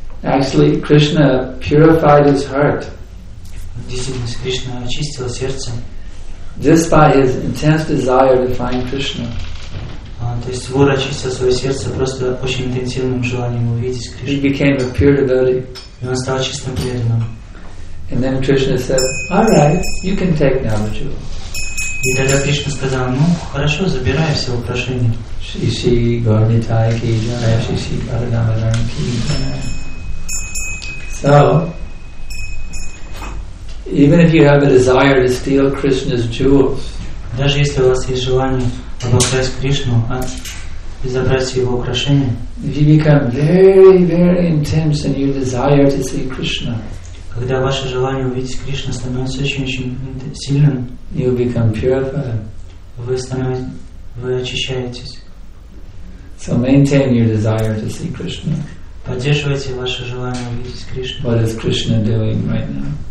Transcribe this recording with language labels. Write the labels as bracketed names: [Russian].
[English] Actually, Krishna purified his heart. [Russian] Действительно, Кришна очистил сердце. [English] Just by his intense desire to find Krishna. [Russian] То есть вор очистил свое сердце просто очень интенсивным желанием увидеть Кришну. [English] He became a pure devotee. [Russian] И он стал чистым преданным. [English] And then Krishna said, "All right, you can take now the jewel." [Russian] И тогда Кришна сказал, ну хорошо, забирай все украшения. Шиши Гарнитай ки джанай, шиши Парадамадан ки джанай. [English] So, even if you have a desire to steal Krishna's jewels, [Russian] даже если у вас есть желание обокрасть Кришну, а и забрать его украшения, [English] if you become very, very intense and you desire to see Krishna, [Russian] когда ваше желание увидеть Кришну становится очень-очень сильным, [English] you become purified. [Russian] Вы очищаетесь. [English] So maintain your desire to see Krishna. [Russian] Поддерживайте ваше желание увидеть Кришну. [English] What is Krishna doing right now?